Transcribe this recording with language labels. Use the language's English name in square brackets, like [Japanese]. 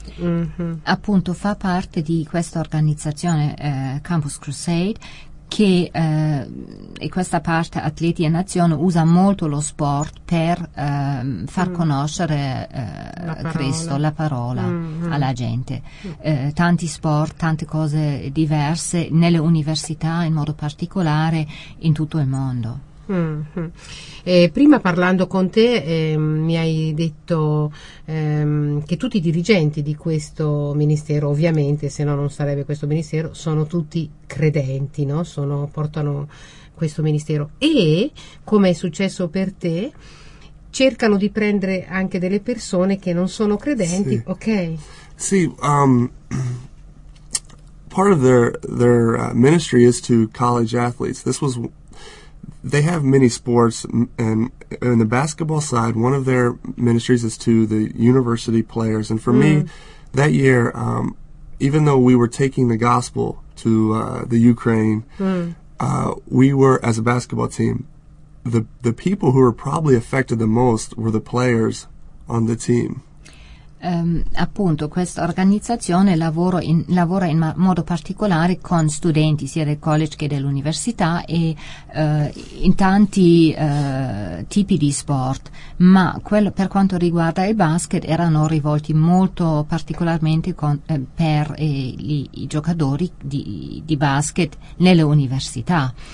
[Italian] Mm-hmm. Appunto, fa parte di questa organizzazione Campus Crusade, che e questa parte Atleti in Azione usa molto lo sport per far conoscere Cristo, la parola alla gente. Tanti sport, tante cose diverse nelle università, in modo particolare in tutto il mondo. Mm-hmm. Prima parlando con te mi hai detto che tutti i dirigenti di questo ministero, ovviamente, se no non sarebbe questo ministero, sono tutti credenti, no? Portano questo ministero e, come è successo per te, cercano di prendere anche delle persone che non sono credenti, sì. Ok? [English] Sì, part of their ministry is to college athletes. They have many sports, and in the basketball side, one of their ministries is to the university players. And for me, that year, even though we were taking the gospel to the Ukraine, we were, as a basketball team, the people who were probably affected the most were the players on the team. [Italian] Appunto, questa organizzazione lavora in modo particolare con studenti sia del college che dell'università e in tanti tipi di sport, ma per quanto riguarda il basket erano rivolti molto particolarmente per i giocatori di basket nelle università.